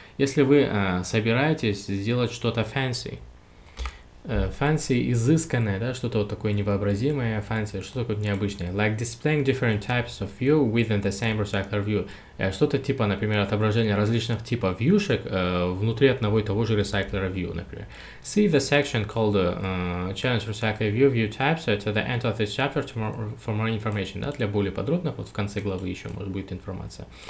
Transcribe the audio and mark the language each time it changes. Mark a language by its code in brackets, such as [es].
[ru] Если вы собираетесь сделать что-то fancy. Fancy – изысканное, да, что-то вот такое невообразимое, fancy, что-то такое необычное. [en] Like displaying different types of view within the same recycler view. [ru] Что-то типа, например, отображение различных типов вьюшек внутри одного и того же recycler view, например. [en] See the section called Challenge Recycler View View Types at the end of this chapter for more information. [ru] Да, для более подробных, вот в конце главы еще может быть информация.